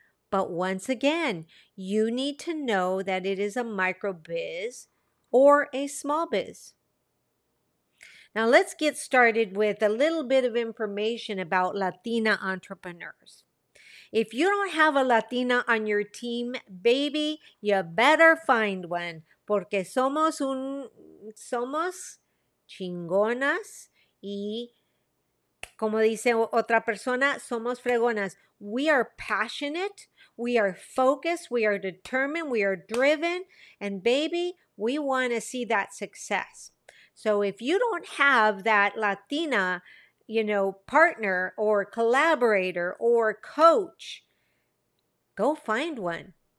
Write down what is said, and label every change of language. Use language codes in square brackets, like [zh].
[en] But once again, you need to know that it is a micro biz or a small biz. Now let's get started with a little bit of information about Latina entrepreneurs. If you don't have a Latina on your team, baby, you better find one. [es] Porque somos chingonas y, como dice otra persona, somos fregonas. [en] We are passionate, we are focused, we are determined, we are driven, and baby, we want to see that success. So if you don't have that Latina, you know, partner or collaborator or coach, go find one.